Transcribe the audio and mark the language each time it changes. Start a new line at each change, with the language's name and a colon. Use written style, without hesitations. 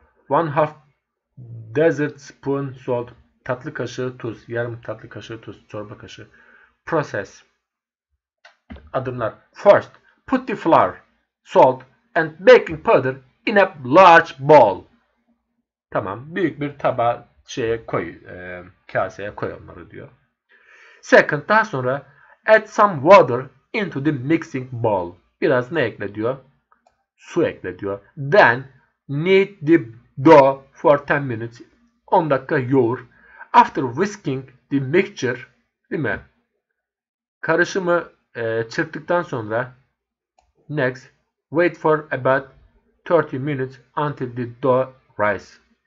English: 1 half desert spoon salt,
Turkish: tatlı kaşığı tuz, yarım tatlı kaşığı tuz, çorba kaşığı.
English: Process,
Turkish: adımlar.
English: First, put the flour, salt and baking powder in a large bowl.
Turkish: Tamam, büyük bir tabağa şeye koy, kaseye koy onları diyor.
English: Second,
Turkish: daha sonra
English: add some water into the mixing bowl.
Turkish: Biraz ne ekle diyor? Su ekle diyor.
English: Then knead the dough for 10 minutes.
Turkish: 10 dakika yoğur.
English: After whisking the mixture,
Turkish: değil mi? Karışımı çırptıktan sonra
English: next wait for about 30 minutes until the dough rises.